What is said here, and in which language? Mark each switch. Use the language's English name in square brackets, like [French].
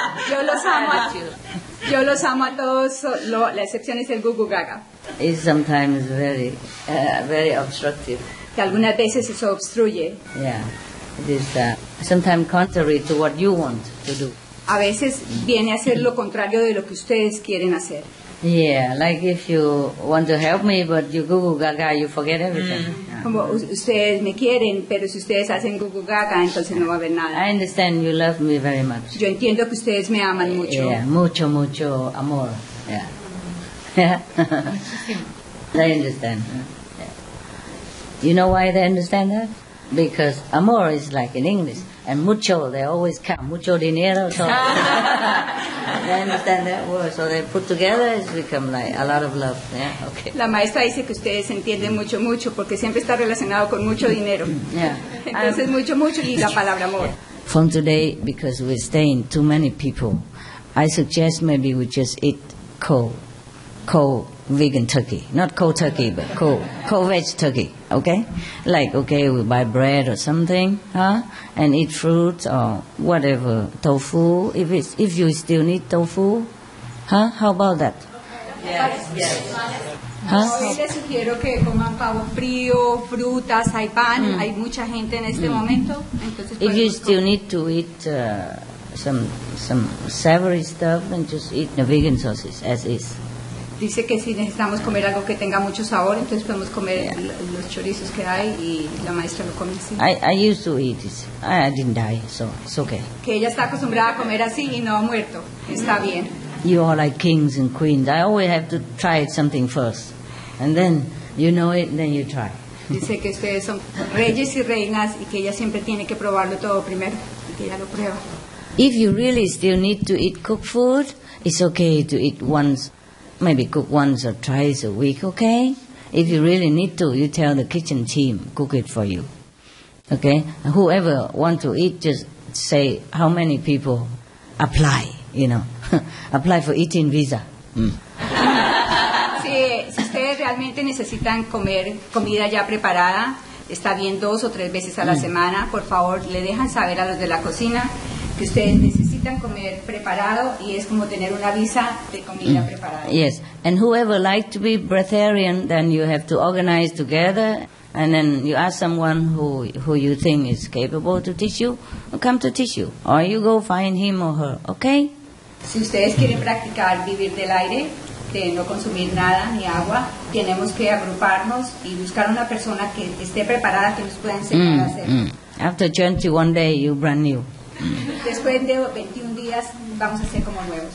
[Spanish] Yo los amo. Yo los amo a todos. La excepción es el Gugu Gaga. [English] It's sometimes very, very obstructive. [Spanish] Que algunas veces eso obstruye. [English] Yeah, it is sometimes contrary to what you want to do. [Spanish] A veces viene a ser lo contrario de lo que ustedes quieren hacer. [English] Yeah, like if you want to help me, but you Gugu Gaga, you forget everything. [Spanish] Como ustedes me quieren, pero si ustedes hacen Gugu Gaga, entonces no va a haber nada. [English] I understand you love me very much. [Spanish] Yo entiendo que ustedes me aman mucho. Yeah, mucho, mucho amor. Yeah. [English] I understand. You know why they understand that? Because amor is like in English, and mucho, they always come, [Spanish] mucho dinero. [English] So they understand that word, so they put together, it's become like a lot of love. Yeah, okay. [Spanish] La maestra dice que ustedes entienden mucho, mucho, porque siempre está relacionado con mucho dinero. [English] Yeah. [Spanish] Entonces mucho, mucho y la palabra amor. [English] From today, because we're staying too many people, I suggest maybe we just eat cold vegan turkey. Not cold turkey, but cold veg turkey. Okay? Like, okay, we buy bread or something, huh? And eat fruit or whatever, tofu. If you still need tofu, huh? How about that? Yes. Yes. [Spanish] Hoy les sugiero que coman pavo frío, frutas, hay pan. Hay mucha gente en este momento. Entonces, [English] if you still need to eat some savory stuff, then just eat the vegan sauces as is. [Spanish] Dice que si necesitamos comer algo que tenga mucho sabor, entonces podemos comer los chorizos que hay y la maestra lo come así. [English] I used to eat this. I didn't die, so it's okay. [Spanish] Que ella está acostumbrada a comer así y no ha muerto. Está bien. [English] You are like kings and queens. I always have to try something first. And then you know it, then you try. Dice que ustedes son reyes y reinas y que ella siempre tiene que probarlo todo primero y que ella lo prueba. If you really still need to eat cooked food, it's okay to eat once. Maybe cook once or twice a week, okay? If you really need to, you tell the kitchen team, cook it for you. Okay? Whoever want to eat, just say how many people apply, you know. Apply for eating visa. [Spanish] Si ustedes realmente necesitan comer comida ya preparada, está bien dos o tres veces a la semana, por favor, le dejan saber a los de la cocina que ustedes necesitan comer preparado y es como tener una visa de comida preparada. [English] Yes, and whoever like to be breatharian, then you have to organize together and then you ask someone who you think is capable to teach you, come to teach you, or you go find him or her, okay? [Spanish] Si ustedes quieren practicar vivir del aire, de no consumir nada ni agua, tenemos que agruparnos y buscar una persona que esté preparada que nos pueda enseñar a hacer. [English] After 21 days, you're brand new. [Spanish] Después de 21 días vamos a ser como nuevos.